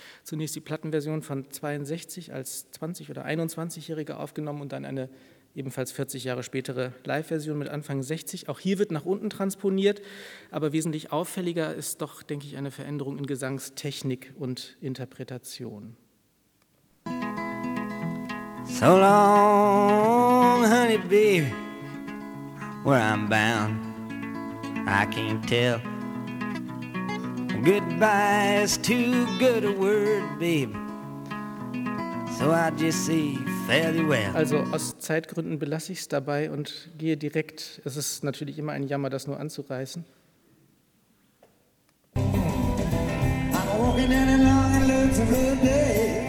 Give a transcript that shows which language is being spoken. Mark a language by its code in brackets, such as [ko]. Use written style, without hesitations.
[de] Zunächst die Plattenversion von 62 als 20- oder 21-Jähriger aufgenommen und dann eine ebenfalls 40 Jahre spätere Live-Version mit Anfang 60. Auch hier wird nach unten transponiert, aber wesentlich auffälliger ist doch, denke ich, eine Veränderung in Gesangstechnik und Interpretation. [en] So long, honey baby, where I'm bound, I can't tell. Goodbye is too good a word, babe. So I just say fairly well. [de] Also aus Zeitgründen belasse ich es dabei und gehe direkt. Es ist natürlich immer ein Jammer, das nur anzureißen. [en] I'm walking in a long and lonesome day.